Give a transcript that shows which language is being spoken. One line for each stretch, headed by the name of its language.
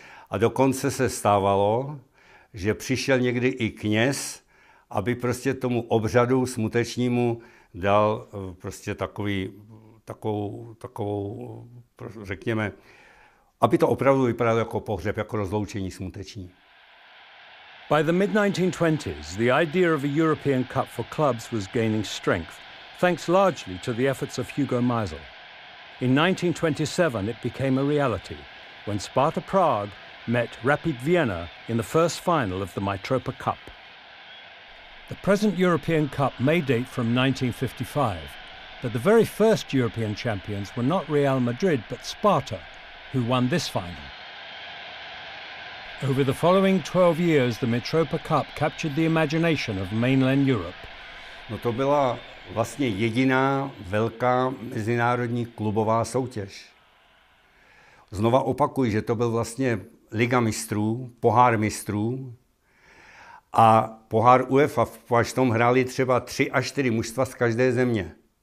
Czech: A dokonce se stávalo, že přišel někdy i kněz, aby prostě tomu obřadu smutečnímu dal prostě takovou, řekněme, aby to opravdu vypadalo jako pohřeb, jako rozloučení smuteční.
English: By the mid-1920s, the idea of a European Cup for clubs was gaining strength, thanks largely to the efforts of Hugo Meisel. In 1927, it became a reality when Sparta Prague met Rapid Vienna in the first final of the Mitropa Cup. The present European Cup may date from 1955, but the very first European champions were not Real Madrid, but Sparta, who won this final. Over the following 12 years, the Mitropa Cup captured the imagination of mainland Europe.
Czech: No to byla vlastně jediná velká mezinárodní klubová soutěž. Znova opakuju, že to byl vlastně Liga mistrů, pohár mistrů a pohár UEFA, až v tom hráli třeba 3 až 4 mužstva z každé země.